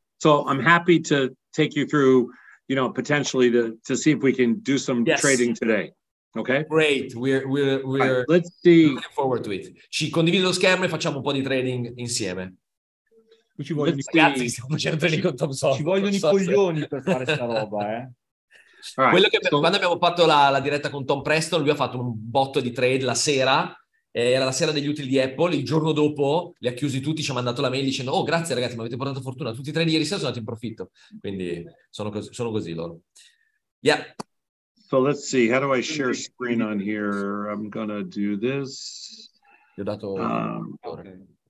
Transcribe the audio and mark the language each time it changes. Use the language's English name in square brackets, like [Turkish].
[English] So, I'm happy to take you through, you know, potentially to see if we can do some trading today. Okay? Great. We're right, let's see. Looking forward to it. [Italian] Ci condivido lo schermo e facciamo un po' di trading insieme. Ci vogliono i coglioni per fare sta roba, [English] Right. [Italian] Quello che quando abbiamo fatto la diretta con Tom Preston, lui ha fatto un botto di trade la sera, era la sera degli utili di Apple, il giorno dopo li ha chiusi tutti, ci ha mandato la mail dicendo oh grazie ragazzi, mi avete portato fortuna, tutti i trade ieri sera sono andati in profitto, quindi sono così loro. [English] Yeah. So let's see, how do I share screen on here? I'm gonna do this. [Italian] Gli ho dato okay.